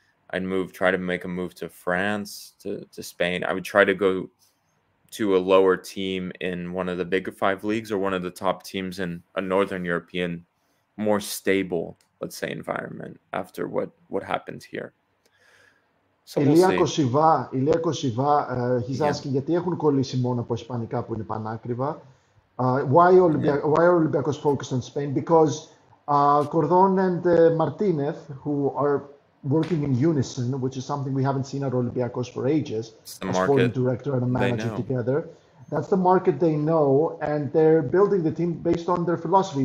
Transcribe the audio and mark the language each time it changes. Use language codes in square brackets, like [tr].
[en] I'd move, try to make a move to France, to Spain. I would try to go to a lower team in one of the big five leagues or one of the top teams in a Northern European, more stable, let's say, environment after what happened here. So we'll [el] Ηλία Κοσιβά, [en] he's asking, [el] γιατί έχουν κολλήσει μόνο από Ισπανικά που είναι πανάκριβα. [en] Why are Olympiacos focused on Spain? Because Cordon and Martinez, who are working in unison, which is something we haven't seen at Olympiacos for ages, as sporting director and a manager together, that's the market they know, and they're building the team based on their philosophy.